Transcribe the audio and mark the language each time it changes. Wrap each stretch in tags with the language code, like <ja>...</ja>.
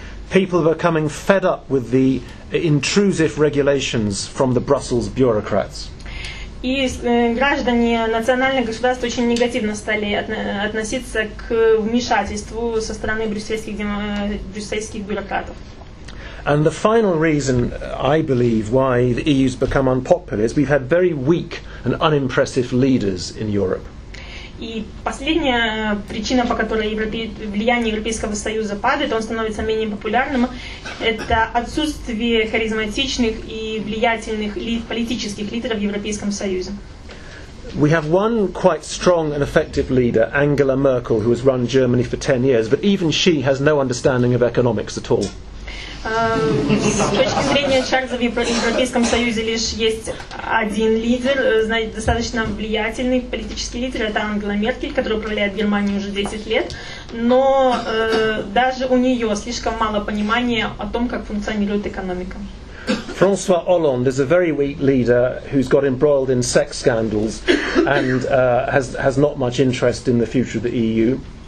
<en>People are becoming fed up with the intrusive regulations from the Brussels bureaucrats.</en> <ru>И граждане национальных государств очень негативно стали относиться к вмешательству со стороны брюссельских бюрократов.</ru> <en>And the final reason, I believe, why the EU has become unpopular is we've had very weak and unimpressive leaders in Europe.</en> <ru>И последняя причина, по которой влияние Европейского Союза падает, он становится менее популярным, это отсутствие харизматичных и влиятельных политических лидеров в Европейском Союзе.</ru> <en>We have one quite strong and effective leader, Angela Merkel, who has run Germany for 10 years, but even she has no understanding of economics at all.</en> <ru>С точки зрения Чарльза, в Европейском Союзе лишь есть один лидер, достаточно влиятельный политический лидер, это Ангела Меркель, которая управляет Германией уже 10 лет, но даже у нее слишком мало понимания о том, как функционирует экономика.</ru> <en>François Hollande is a very weak leader who's got embroiled in sex scandals and has not much interest in the future of the EU.</en>